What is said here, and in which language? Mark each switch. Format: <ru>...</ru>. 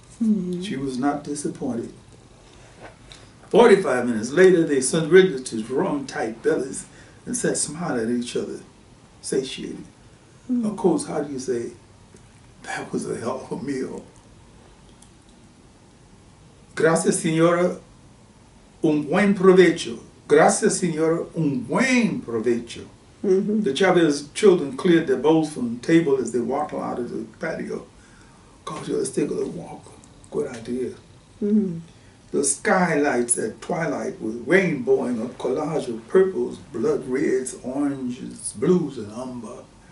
<en>Mm-hmm. She was not disappointed. 45 minutes later, they surrendered to drum-tight bellies and sat smiling at each other, satiated. Mm-hmm. Of course, how do you say, "That was a hell of a meal"?</en> <es>"Gracias, señora, un buen provecho. Gracias, señora, un buen provecho." Mm-hmm.</es> <en>The Chavez children cleared their bowls from the table as they walked out of the patio. "Kojo, let's take a little walk." "Good idea." Mm-hmm. The skylights at twilight were rainbowing a collage of purples, blood reds, oranges, blues, and umber.</en>